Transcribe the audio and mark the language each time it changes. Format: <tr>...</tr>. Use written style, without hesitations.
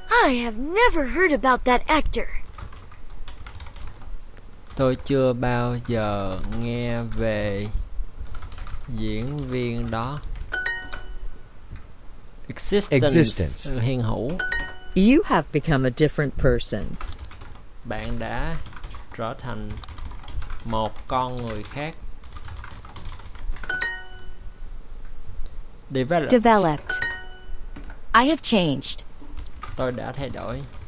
<en>I have never heard about that actor.</en> <vi>Tôi chưa bao giờ nghe về diễn viên đó. Existence. Hiện hữu.</vi> <en>You have become a different person.</en> <vi>Bạn đã trở thành một con người khác.</vi> <en>Developed. I have changed.</en> <vi>Tôi đã thay đổi.</vi>